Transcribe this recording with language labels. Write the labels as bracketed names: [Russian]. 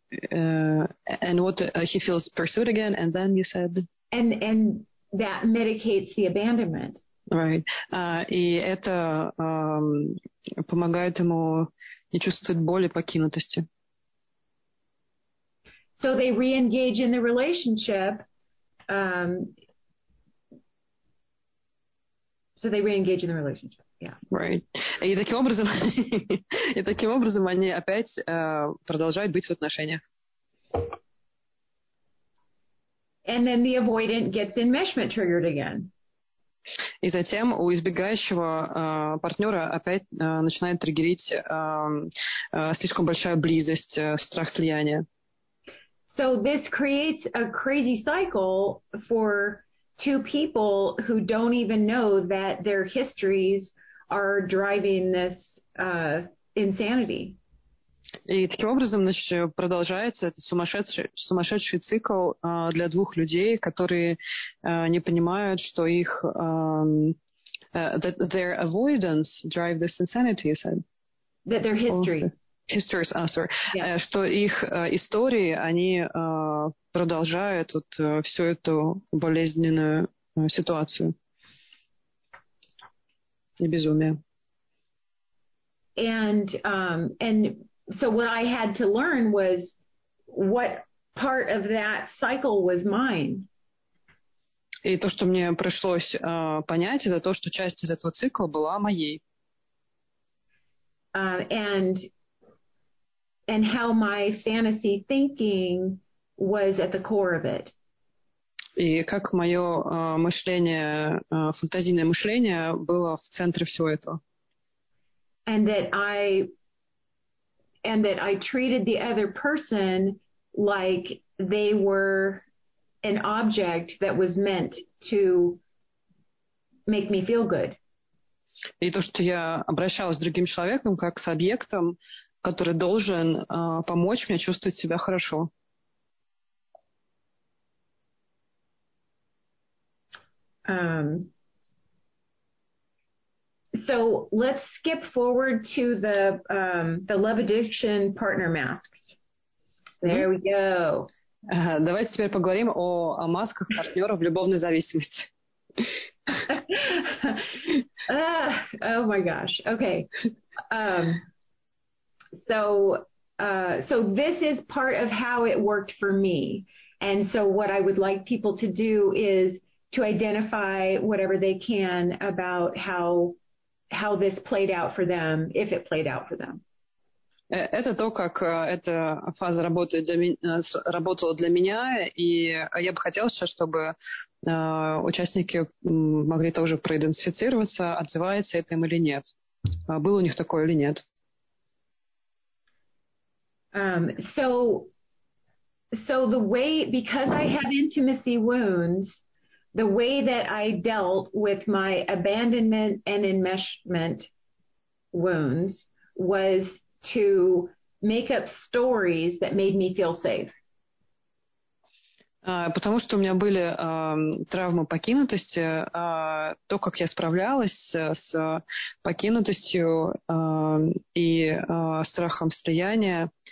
[English] And what he feels pursued again, and then you said... And that medicates the abandonment. Right. [Russian] И это помогает ему не чувствовать боли покинутости. [English] So they re-engage in the relationship... So they re-engage in the relationship. Yeah. Right. [Russian] И таким образом, и таким образом они опять продолжают быть в отношениях. [English] And then the avoidant gets enmeshment triggered again. [Russian] И затем у избегающего партнера опять начинает триггерить слишком большая близость, страх слияния. [English] So this creates a crazy cycle for two people who don't even know that their histories are driving this insanity. [Russian] И таким образом, значит, продолжается этот сумасшедший цикл для двух людей, которые не понимают, что их [English] that their avoidance drive this insanity, you said. That their history. Histories, sorry. Yeah. [Russian] Что их истории, они продолжают вот всю эту болезненную ситуацию и безумие. [English] And so what I had to learn was what part of that cycle was mine. [Russian] И то, что мне пришлось понять, это то, что часть из этого цикла была моей. [English] And how my fantasy thinking was at the core of it. [Russian] И как мое мышление, фантазийное мышление было в центре всего этого. [English] And that I treated the other person like they were an object that was meant to make me feel good. [Russian] И то, что я обращалась с другим человеком как с объектом, который должен помочь мне чувствовать себя хорошо. [English] So let's skip forward to the love addiction partner masks. There mm-hmm. we go. [Russian] Давайте теперь поговорим о масках партнеров в любовной зависимости. [English] Oh my gosh. Okay. So this is part of how it worked for me. And so what I would like people to do is to identify whatever they can about how this played out for them, if it played out for them. [Russian] Это то, как эта фаза работала для меня, и я бы хотела сейчас, чтобы участники могли тоже проидентифицироваться, отзывается это им или нет. Был у них такое или нет. [English] So the way, because I have intimacy wounds, the way that I dealt with my abandonment and enmeshment wounds was to make up stories that made me feel safe. [Russian] Потому что у меня были травмы покинутости, то, как я справлялась с покинутостью и страхом слияния.